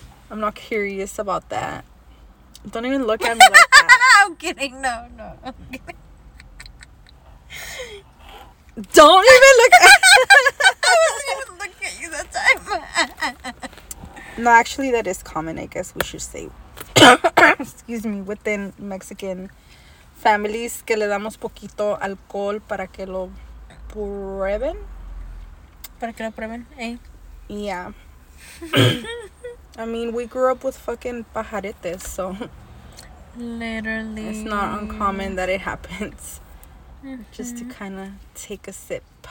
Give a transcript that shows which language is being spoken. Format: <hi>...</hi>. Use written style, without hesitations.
<en>I'm not curious about that. Don't even look at me like that. I'm kidding. No, no. I'm kidding. Don't even look at me. I wasn't even looking at you that time. No, actually, that is common, I guess we should say. Excuse me, within Mexican... families</en> <es>que le damos poquito alcohol para que lo prueben. Para que lo prueben, eh?</es> <en>Yeah. I mean, we grew up with fucking pajaretes, so. Literally. It's not uncommon that it happens. Just to kind of take a sip.</en>